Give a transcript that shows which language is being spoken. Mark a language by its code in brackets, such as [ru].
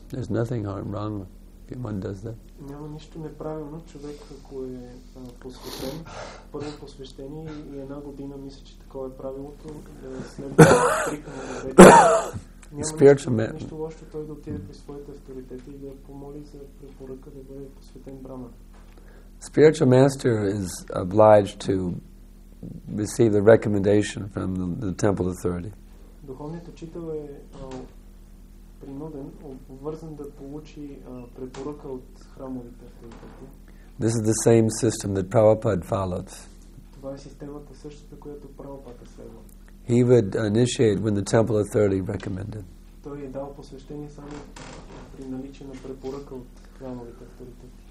[en] There's nothing wrong if one does that. [bg] Няма нищо неправилно. Човек, ако е посветен, първо посвещение и една година мисля, че такова е правилото, да следва стриктно наредбите. Няма нищо лошо, той да отиде при своите авторитети и да помоли за препоръка да бъде посветен брама. [en] Spiritual master is obliged to receive the recommendation from the temple authority. [bg] Духовният учител е принуден, обвързан да получи препоръка от храмовите авторитети. [en] This is the same system that Prabhupada followed. [bg] Това е системата същата, която Прабхупада следва. [en] He would initiate when the temple authority recommended. [bg] Той е дал посвещение само при наличие на препоръка от храмовите авторитети.